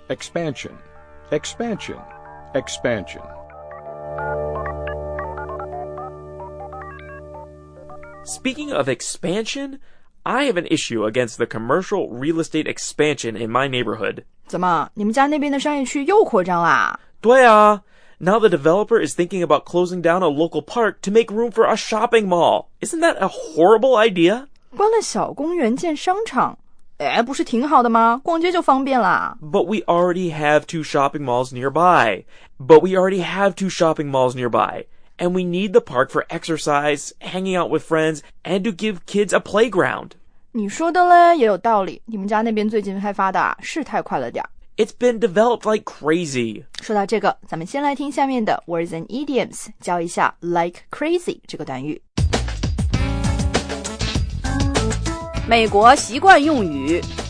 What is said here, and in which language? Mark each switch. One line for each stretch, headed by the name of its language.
English: expansion, expansion, expansion. Speaking of expansion,I have an issue against the commercial real estate expansion in my neighborhood.
Chinese: 怎么，你们家那边的商业区又扩张啦？对啊。
English: Now the developer is thinking about closing down a local park to make room for a shopping mall. Isn't that a horrible idea?
Chinese: 关了小公园建商场，哎，不是挺好的吗？逛街就方便啦。
English: But we already have two shopping malls nearby. And we need the park for exercise, hanging out with friends, and to give kids a playground.
Chinese: 你说的嘞也有道理，你们家那边最近开发的是太快了点。
English: It's been developed like crazy.
Chinese: 说到这个，咱们先来听下面的 words and idioms, 教一下 like crazy 这个短语。美国习惯用语